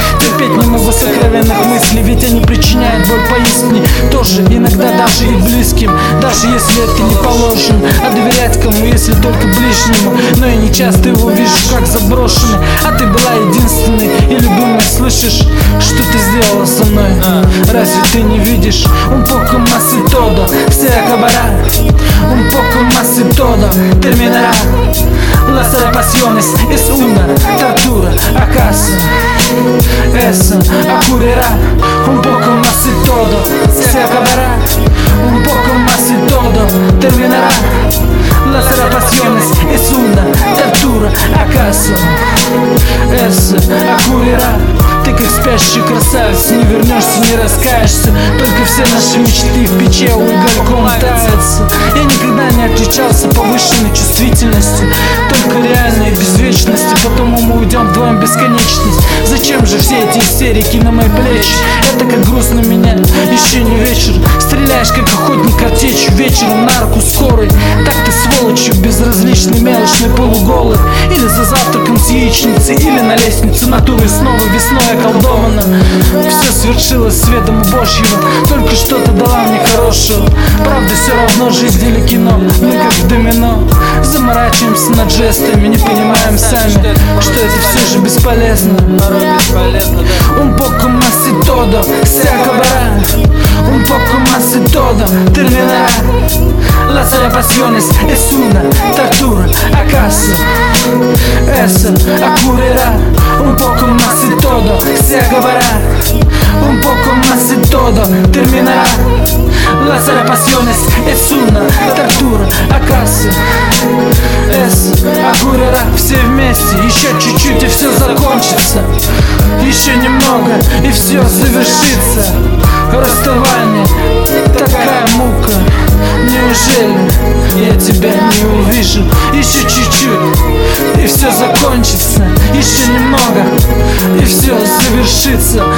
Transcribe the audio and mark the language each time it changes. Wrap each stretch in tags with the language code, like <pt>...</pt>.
<ru>Терпеть не могу сокровенных мыслей, ведь они причиняют боль поистине. Тоже иногда даже и близким, даже если это не положено. А доверять кому, если только ближнему? Но я не часто его вижу, как заброшенный. А ты была единственной и любимой, слышишь? Что ты сделала со мной? Разве ты не видишь?</ru> <es>Un poco más y todo se acabará. Un poco más y todo terminará. Las pasiones es una tortura. ¿Acaso eso ocurrirá? Un poco más y todo se acabará. Un poco más y todo terminará. Las pasiones es una tortura. ¿Acaso eso ocurrirá?</es> <ru>Ты как спящий красавец, не вернешься, не раскаешься. Только все наши мечты в печи угольком таятся. Я никогда не отличался повышенной чувствительностью. Только реальной безвечности, потом мы уйдем вдвоем в бесконечность. Зачем же все эти истерики на мои плечи? Это как грустно меня, еще не вечер. Стреляешь, как охотник, картечью вечером на руку скорой. Так ты сволочью безразличный, мелочный, полуголый. Или за завтраком с яичницей, или на лестнице натурой снова весной. Околдовано, все свершилось светом Божьего. Только что-то дала мне хорошего. Правда, все равно жизнь или кино. Мы как в домино заморачиваемся над жестами. Не понимаем сами, что это все же бесполезно.</ru> <es>Un poco más y todo se acabará. Un poco más y todo terminará. Las pasiones es una tortura. ¿Acaso eso ocurrirá? Un poco más y todo se acabará. Un poco más y todo terminará. Las pasiones es una tortura. ¿Acaso eso ocurrirá?</es> <ru>Все вместе, еще чуть-чуть и все закончится. Еще немного и все завершится. Расставание, такая мука. Неужели я тебя не увижу? Еще чуть-чуть и все закончится. Еще немного и все завершится.</ru>